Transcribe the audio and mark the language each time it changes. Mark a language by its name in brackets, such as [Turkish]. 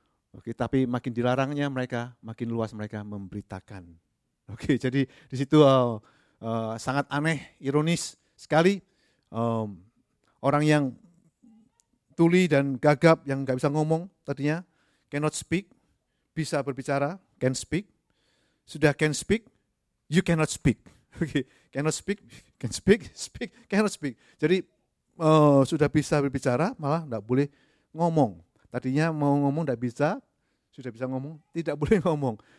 [Indonesian] Oke, tapi makin dilarangnya mereka, makin luas mereka memberitakan. Oke, jadi di situ sangat aneh, ironis sekali. Orang yang tuli dan gagap, yang gak bisa ngomong tadinya, [English] cannot speak, [Indonesian] bisa berbicara, [English] can speak. Sudah can speak, you cannot speak. Oke, cannot speak, can speak, speak, cannot speak. [Indonesian] Jadi sudah bisa berbicara, malah gak boleh ngomong. Tadinya mau ngomong gak bisa, sudah bisa ngomong, tidak boleh ngomong.